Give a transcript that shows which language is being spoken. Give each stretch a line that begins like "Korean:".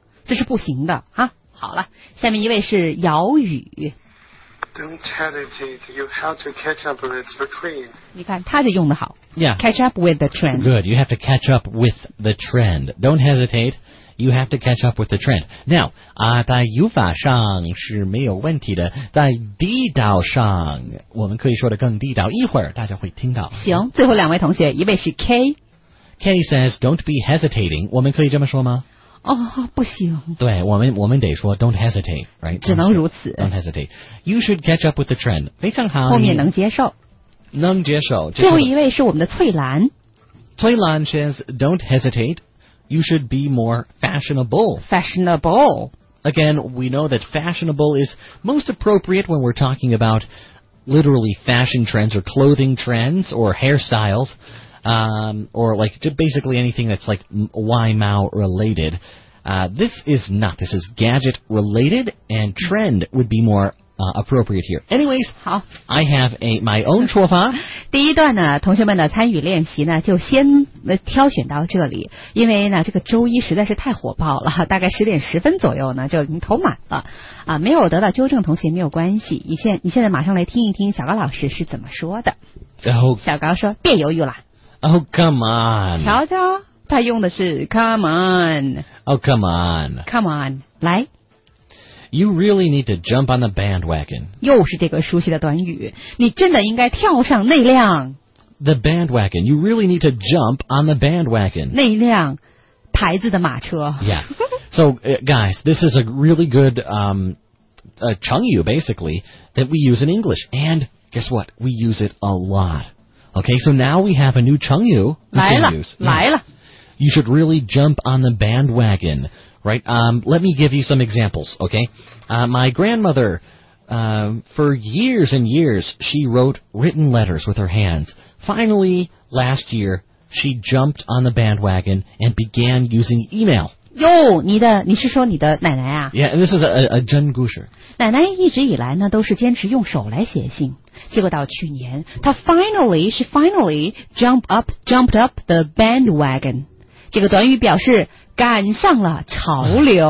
Chinese: 这是不行的啊！好了，下面一位是姚宇。
English: Don't hesitate, you have to catch up with the trend.
Chinese: 你看，他就用得好。
English: Yeah. Catch up with the trend. Good, you have to catch up with the trend. Don't hesitate, you have to catch up with the trend.
Chinese: Now, 在语法上是没有问题的，在地道上，我们可以说得更地道，一会儿大家会听到。行，最后两位同学，一位是 K。
English: K says, don't be hesitating.
Chinese: 我们可以这么说吗？哦，不行。对，我们得说
English: don't hesitate, right?
Chinese: 只能如此。
English: Don't hesitate. You should catch up with the trend.
Chinese: 非常好。后面能接受。能接受。最后一位是我们的翠兰。
English: 翠兰 says, don't hesitate. You should be more fashionable. Fashionable. Again, we know that fashionable is most appropriate when we're talking about literally fashion trends or clothing trends or hairstyles. Or like basically anything that's like Y-Mao related. This is not. This is gadget related, and trend would be more appropriate here. Anyways,
Chinese: 好
English: ，I have a my own 厨房。
Chinese: 第一段呢，同学们的参与练习呢，就先挑选到这里，因为呢，这个周一实在是太火爆了，大概10:10左右呢，就已经投满了啊。没有得到纠正，同学没有关系，你现在马上来听一听小高老师是怎么说的。
English: Oh,
Chinese: 小高说：“别犹豫了。”
English: Oh, come on！瞧瞧，他用的是 come on。 Oh, come on！ Come on， 来。 You really need to jump on the bandwagon.
Chinese: 又是这个熟悉的短语，你真的应该跳上那辆。
English: The bandwagon. You really need to jump on the bandwagon.
Chinese: 那辆牌子的马车。
English: Yeah. So, guys, this is a really good, cheng yu, basically, that we use in English. And guess what? We use it a lot. Okay, so now we have a new cheng yu.
Chinese: 来了，来了。
English: You should really jump on the bandwagon, right? Let me give you some examples, okay? My grandmother, for years and years, she wrote written letters with her hands. Finally, last year, she jumped on the bandwagon and began using email.
Chinese: 哟，你是说你的奶奶啊？
English: Yeah, and this is a
Chinese: 真故事。奶奶一直以来呢，都是坚持用手来写信。结果到去年，她
English: finally jumped up the bandwagon.
Chinese: 这个短语表示赶上了潮流。